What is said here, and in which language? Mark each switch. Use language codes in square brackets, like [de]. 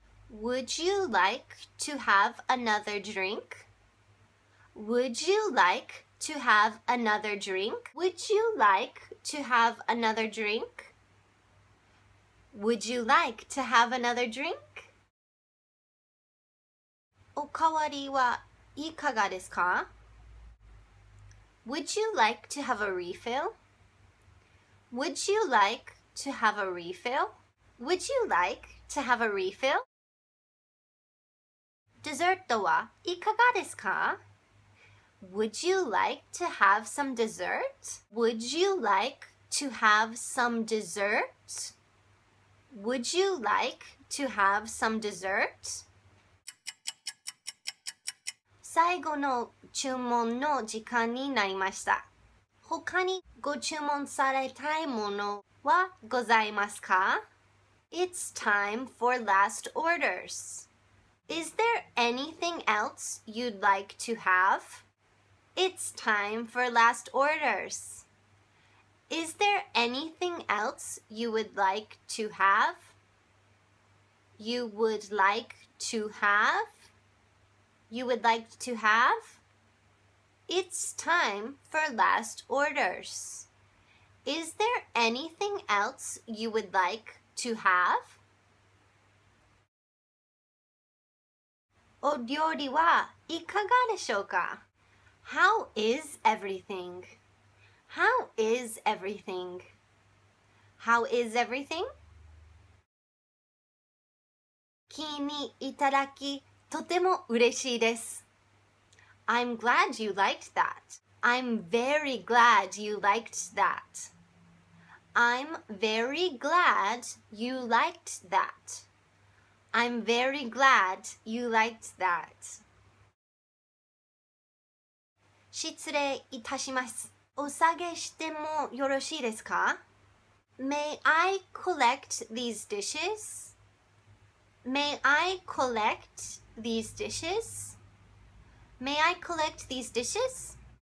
[en] Would you like to have another drink? Would you like to have another drink? Would you like to have another drink? Would you like to have another drink? [ja] おかわりはいかがですか? [en] Would you like to have a refill? Would you like to have a refill? Would you like to have a refill? [ja] Deserto wa ikaga desu ka? [en] Would you like to have some dessert? Would you like to have some dessert? Would you like to have some dessert? [ja] 最後の注文の時間になりました。他にご注文されたいものはございますか? [en] It's time for last orders. Is there anything else you'd like to have? It's time for last orders. Is there anything else you would like to have? You would like to have? You would like to have? It's time for last orders. Is there anything else you would like to have? [ja] お料理はいかがでしょうか? [en] How is everything? How is everything? How is everything? [ja] 気にいただきとても嬉しいです。 [en] I'm glad you liked that. I'm very glad you liked that. I'm very glad you liked that. I'm very glad you liked that. [ja] 失礼いたします。お下げしてもよろしいですか? [en] May I collect these dishes? May I collect these dishes? May I collect these dishes?